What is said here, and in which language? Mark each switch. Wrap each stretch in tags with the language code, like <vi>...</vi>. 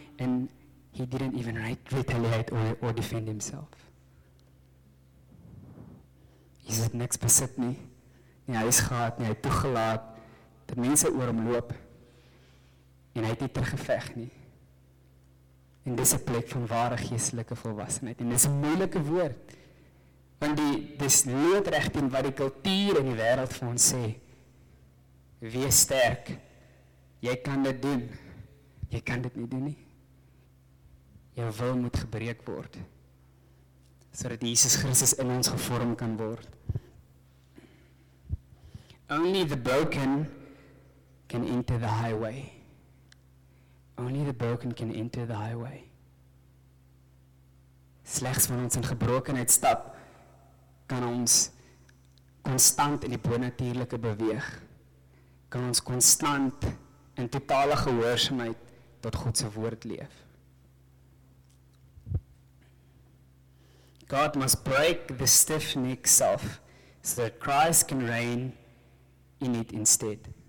<en>And he didn't even retaliate or defend himself. He said,</en> <af>niks besit nie. Nie huis gehad, nie hy toegelaat. Dat mense oor hom loop. En hy het nie teruggeveg nie. En dis 'n plek van ware geestelike volwassenheid. En dis 'n moeilike woord. Want dis loodreg teen wat die kultuur in die wêreld vir ons sê. Wees sterk, jy kan dit doen, jy kan dit nie doen nie. Jou wil moet gebreek word, sodat Jesus Christus in ons gevorm kan word.</af> <en>Only the broken can enter the highway. Only the broken can enter the highway.</en> <af>Slechts van ons in gebrokenheid stap, kan ons constant in die bonatuurlijke beweeg, kan ons constant in totale gehoorzaamheid tot Godse woord leef.</af> <en>God must break the stiff neck self so that Christ can reign in it instead.</en>